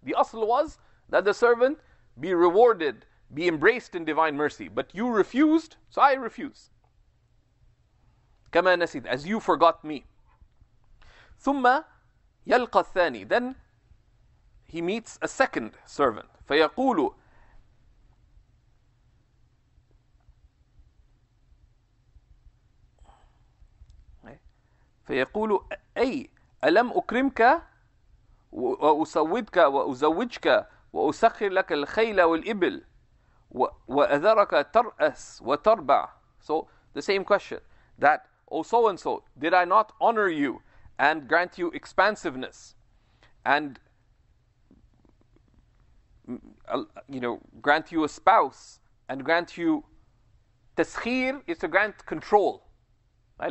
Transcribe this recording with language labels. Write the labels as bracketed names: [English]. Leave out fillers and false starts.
[English] The asl was that the servant be rewarded, be embraced in divine mercy. But you refused, so I refuse. [Arabic] كَمَا نَسِيد, [English] as you forgot me. [Arabic] ثُمَّ يَلْقَ الثَّانِي. [English] Then he meets a second servant. [Arabic] فَيَقُولُ فيقول أي ألم أكرمك وأسودك وأزوجك وأسخر لك الخيل والإبل وأذرك ترأس وتربع. [English] So the same question, that oh so and so, did I not honor you and grant you expansiveness and you know, grant you a spouse and grant you taskhir is to grant control. Right?